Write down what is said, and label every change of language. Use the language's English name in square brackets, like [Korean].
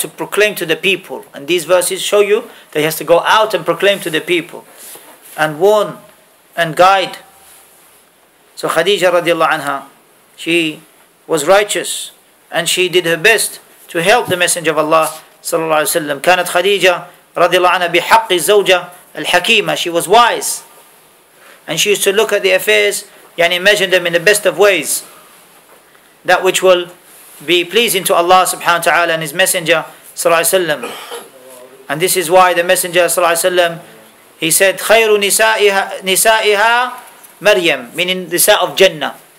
[English] To proclaim to the people. And these verses show you that he has to go out and proclaim to the people, and warn and guide. So Khadija radiallahu anha, she was righteous, and she did her best to help the messenger of Allah sallallahu alayhi wa sallam. [Arabic] كانت خديجة رضي الله عنها بحق الزوجة الحكيمة. [English] She was wise, and she used to look at the affairs and imagine them in the best of ways, that which will be pleasing to Allah subhanahu wa ta'ala and His messenger sallallahu alayhi wa sallam. And this is why the messenger sallallahu alayhi wa sallam, he said, [Arabic] خير نسائها مريم, [English] meaning the nisa of Jannah.